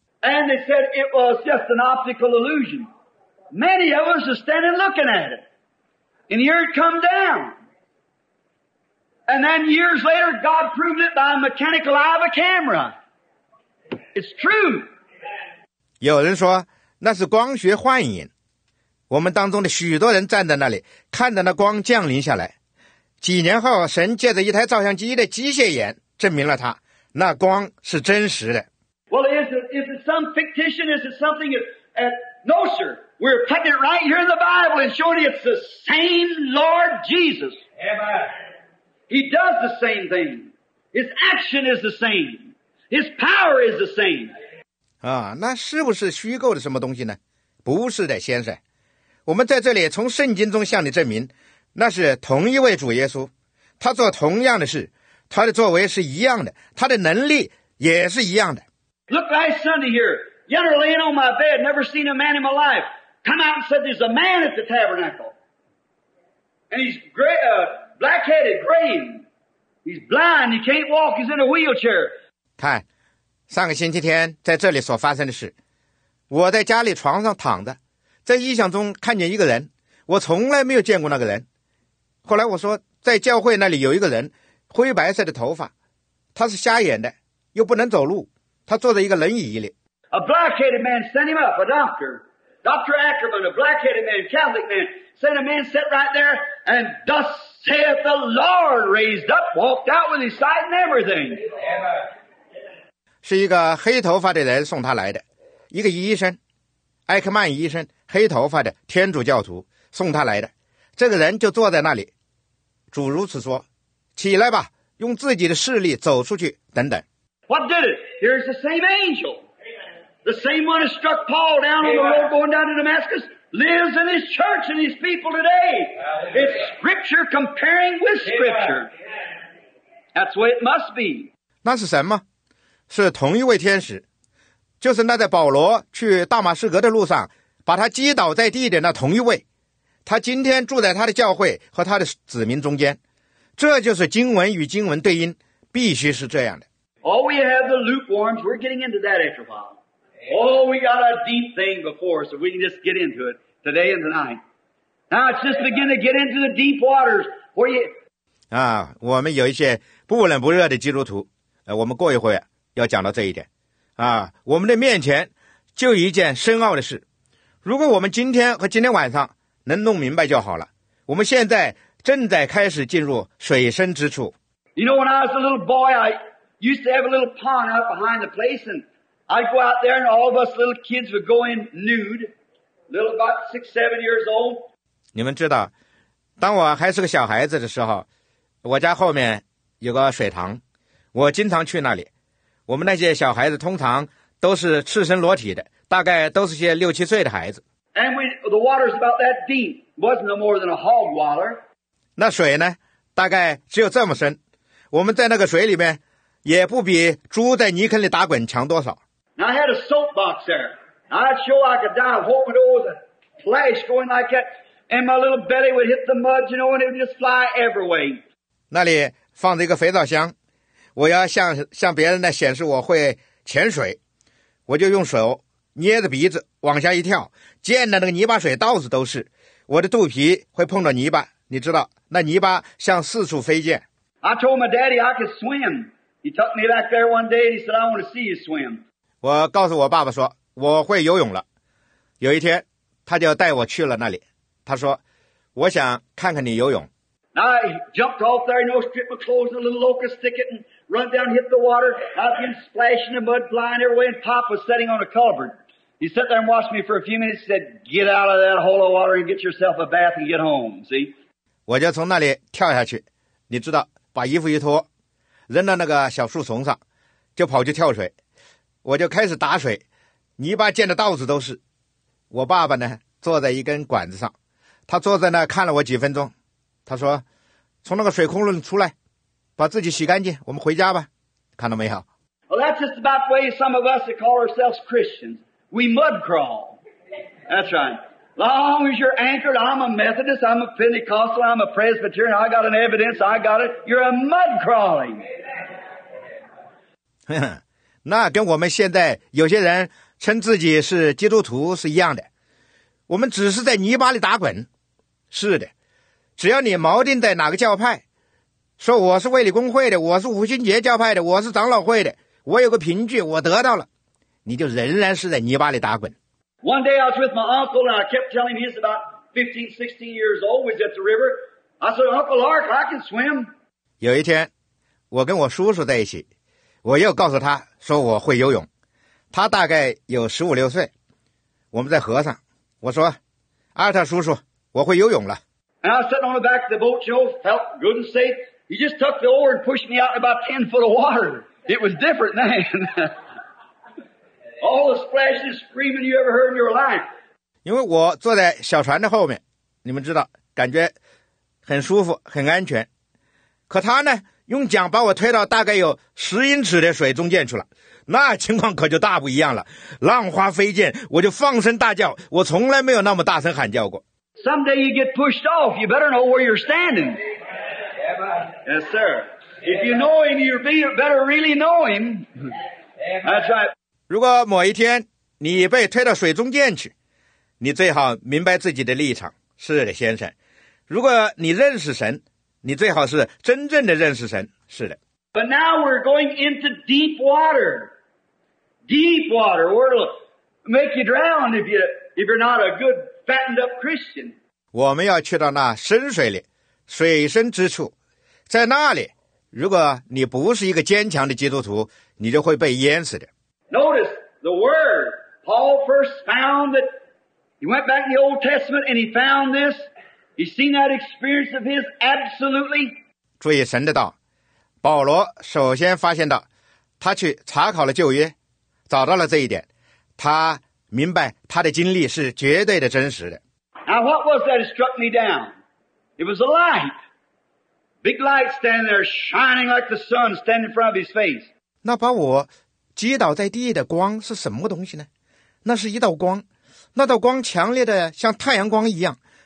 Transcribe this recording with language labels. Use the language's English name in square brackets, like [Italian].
[English] And they said it was just an optical illusion. Many of us are standing looking at it. And here it come down. And then years later, God proved it by a mechanical eye of a camera. It's true. [Chinese] 有人说那是光学幻影。我们当中的许多人站在那里，看着那光降临下来。几年后，神借着一台照相机的机械眼证明了它，那光是真实的。 [English] Well, is it some fictitious? Is it something that? No, sir. We're putting it right here in the Bible and showing it's the same Lord Jesus. Amen. He does the same thing. His action is the same. His power is the same. [Chinese] 啊，那是不是虚构的什么东西呢？不是的，先生。我们在这里从圣经中向你证明，那是同一位主耶稣，他做同样的事，他的作为是一样的，他的能力也是一样的。 [English] Look last Sunday here, yonder laying on my bed, never seen a man in my life. Come out and said there's a man at the tabernacle, and he's gray, black-headed, gray. He's blind. He can't walk. He's in a wheelchair. [Chinese] 看，上个星期天在这里所发生的事，我在家里床上躺着。在异象中看见一个人，我从来没有见过那个人。后来我说，在教会那里有一个人，灰白色的头发，他是瞎眼的，又不能走路，他坐在一个轮椅里。 [English] A black-headed man sent him up, a doctor. Dr. Ackerman, a black-headed man, Catholic man, sent a man sit right there, and thus saith the Lord, raised up, walked out with his sight and everything. [Chinese] 是一个黑头发的人送他来的，一个医生，艾克曼医生，黑头发的天主教徒送他来的，这个人就坐在那里。主如此说：“起来吧，用自己的势力走出去。” 等等。 [English] What did it? Here's the same angel, the same one who struck Paul down on the road going down to Damascus, lives in his church and his people today. It's scripture comparing with scripture. That's the way it must be. [Chinese] 那是什么？是同一位天使。就是那在保罗去大马士革的路上把他击倒在地的那同一位，他今天住在他的教会和他的子民中间。这就是经文与经文对应，必须是这样的。 [English] All we have the lukewarms, we're getting into that after a while. Oh, we got a deep thing before us, so we can just get into it today and tonight. Now it's just beginning to get into the deep waters where you... [Chinese] 啊，我们有一些不冷不热的基督徒，我们过一会要讲到这一点啊，我们的面前就一件深奥的事。如果我们今天和今天晚上能弄明白就好了。我们现在正在开始进入水深之处。 [English] You know, when I was a little boy, I used to have a little pond out behind the place, and I'd go out there, and all of us little kids would go in nude, little about six, 7 years old. [Chinese] 你们知道，当我还是个小孩子的时候，我家后面有个水塘，我经常去那里。我们那些小孩子通常都是赤身裸体的，大概都是些六七岁的孩子。 [English] And we, the water's about that deep, wasn't no more than a hog water. [Chinese] 那水呢，大概只有这么深。我们在那个水里面，也不比猪在泥坑里打滚强多少。 [English] Now I had a soap box there. I'd show I could dive, hope it was a flash going like that, and my little belly would hit the mud, you know, and it would just fly every way. [Chinese] 那里放着一个肥皂箱。我要向别人来显示我会潜水，我就用手捏着鼻子往下一跳，溅的那个泥巴水到处都是，我的肚皮会碰到泥巴，你知道，那泥巴向四处飞溅。 [English] I told my daddy I could swim. He took me back there one day and he said, I want to see you swim. [Chinese] 我告诉我爸爸说，我会游泳了。有一天，他就带我去了那里，他说，我想看看你游泳。 [English] I jumped off there, you know, stripped my clothes in a little locust thicket and run down, hit the water. I'd been splashing the mud, flying everywhere, and Pop was sitting on a culvert. He sat there and watched me for a few minutes, said, get out of that hole of water and get yourself a bath and get home, see? [Chinese] 我就从那里跳下去，你知道，把衣服一脱，扔到那个小树丛上，就跑去跳水。我就开始打水，泥巴溅的到处都是。我爸爸呢，坐在一根管子上，他坐在那看了我几分钟。他说，从那个水窟窿出来，把自己洗干净，我们回家吧。看到没有？ [English] Well, that's just about the way some of us that call ourselves Christians. We mud crawl. That's right. Long as you're anchored, I'm a Methodist, I'm a Pentecostal, I'm a Presbyterian, I got an evidence, I got it. You're a mud crawling. [Chinese] 那跟我们现在有些人称自己是基督徒是一样的，我们只是在泥巴里打滚。是的，只要你锚定在哪个教派，说我是卫理公会的，我是五旬节教派的，我是长老会的，我有个凭据，我得到了，你就仍然是在泥巴里打滚。 [English] One day I was with my uncle and I kept telling him he's about 15, 16 years old, was at the river. I said, Uncle Ark, I can swim. [Chinese] 有一天，我跟我叔叔在一起，我又告诉他说我会游泳，他大概有十五六岁，我们在河上，我说，阿尔特叔叔，我会游泳了。 [English] And I was sitting on the back of the boat, Joe, felt good and safe. He just took the oar and pushed me out in about 10 foot of water. It was different then. All the splashing and screaming you ever heard in your life. [Chinese] 因为我坐在小船的后面，你们知道，感觉很舒服，很安全。可他呢，用桨把我推到大概有十英尺的水中间去了，那情况可就大不一样了，浪花飞溅，我就放声大叫，我从来没有那么大声喊叫过。 [English] Someday you get pushed off, you better know where you're standing. Yes, sir. If you know him, you better really know him. That's right. [Chinese] 如果某一天你被推到水中间去，你最好明白自己的立场。是的，先生，如果你认识神，你最好是真正的认识神。是的。 [English] But now we're going into deep water. Deep water, where it'll make you drown if you're not a good fattened up Christian. [Chinese] 我们要去到那深水里，水深之处，在那里，如果你不是一个坚强的基督徒，你就会被淹死的。 [English] Notice the word. Paul first found that he went back in the Old Testament and he found this. He's seen that experience of his absolutely. [Chinese] 注意神的道，保罗首先发现到，他去查考了旧约，找到了这一点，他明白他的经历是绝对的真实的。 [English] Now what was that struck me down? It was a light. Big light standing there shining like the sun standing in front of his face. [Chinese] 那把我击倒在地的光是什么东西呢？那是一道光，那道光强烈的像太阳光一样。